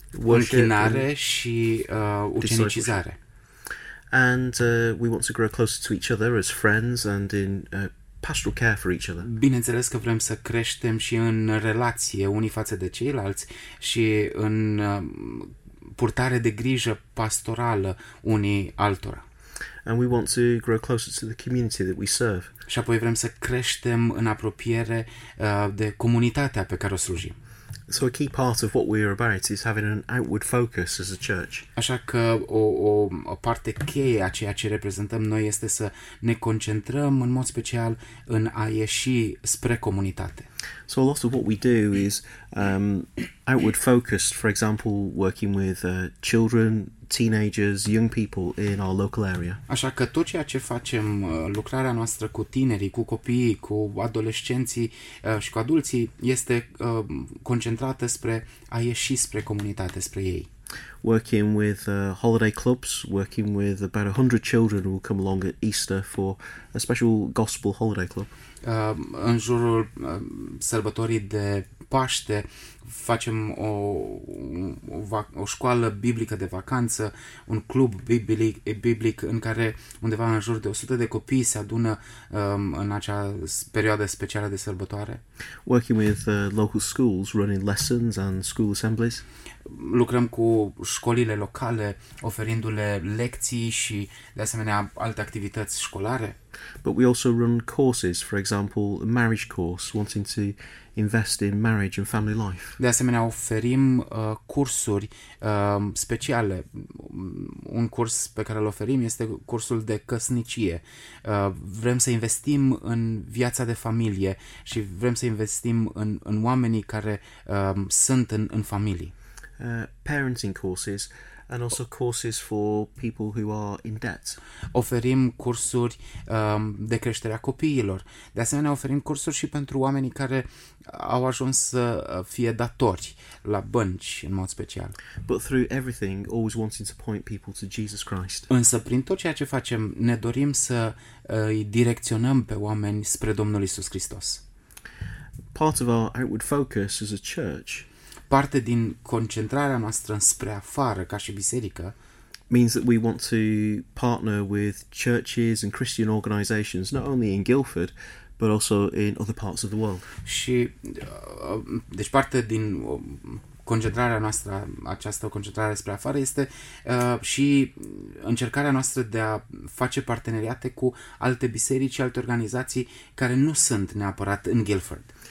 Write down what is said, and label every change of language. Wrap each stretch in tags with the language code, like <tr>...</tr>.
<ro>închinare și ucenicizare.</ro> <en>And we want to grow closer to each other as friends and in pastoral care for each other.</en> <ro>Bineînțeles că vrem să creștem și în relație unii față de ceilalți și în purtare de grijă pastorală unii altora.</ro> <en>And we want to grow closer to the community that we serve.</en> <ro>Și apoi vrem să creștem în apropiere de comunitatea pe care o slujim.</ro> <en>So a key part of what we are about is having an outward focus as a church.</en> <ro>Așa că o parte cheie a ceea ce reprezentăm noi este să ne concentrăm în mod special în a ieși spre comunitate.</ro> <en>So a lot of what we do is outward focused, for example, working with children, teenagers, young people in our local area.</en> <ro>Așa că tot ceea ce facem, lucrarea noastră cu tinerii, cu copiii, cu adolescenții și cu adulții, este concentrată spre a ieși spre comunitate, spre ei.</ro> <en>working with holiday clubs, working with about 100 children who will come along at Easter for a special gospel holiday club.</en> <ro>În jurul sărbătorii de Paște facem o, o școală biblică de vacanță, un club biblic în care undeva în jur de 100 de copii se adună în acea perioadă specială de sărbătoare.</ro> <en>Working with local schools, running lessons and school assemblies.</en> <ro>Lucrăm cu școlile locale, oferindu-le lecții și, de asemenea, alte activități școlare.</ro> <en>But we also run courses, for example, a marriage course, wanting to invest in marriage and family life.</en> <ro>De asemenea, oferim cursuri speciale. Un curs pe care îl oferim este cursul de căsnicie. Vrem să investim în viața de familie și vrem să investim în, în oamenii care sunt în, în familie.</ro> <en>Parenting courses and also courses for people who are in debt.</en> <ro>Oferim cursuri de creștere a copiilor. De asemenea, oferim cursuri și pentru oamenii care au ajuns să fie datori la bănci, în mod special.</ro> <en>But through everything, always wanting to point people to Jesus Christ.</en> <ro>Însă, prin tot ceea ce facem, ne dorim să îi direcționăm pe oameni spre Domnul Iisus Hristos.</ro> <en>Part of our outward focus as a church,</en> <ro>parte din concentrarea noastră spre afară ca și biserică,</ro> <en>means that we want to partner with churches and Christian organizations not only in Guildford but also in other parts of the world.</en> <ro>Și deci parte din concentrarea noastră, această concentrare spre afară, este și încercarea noastră de a face parteneriate cu alte biserici și alte organizații care nu sunt neapărat în Guildford.</ro>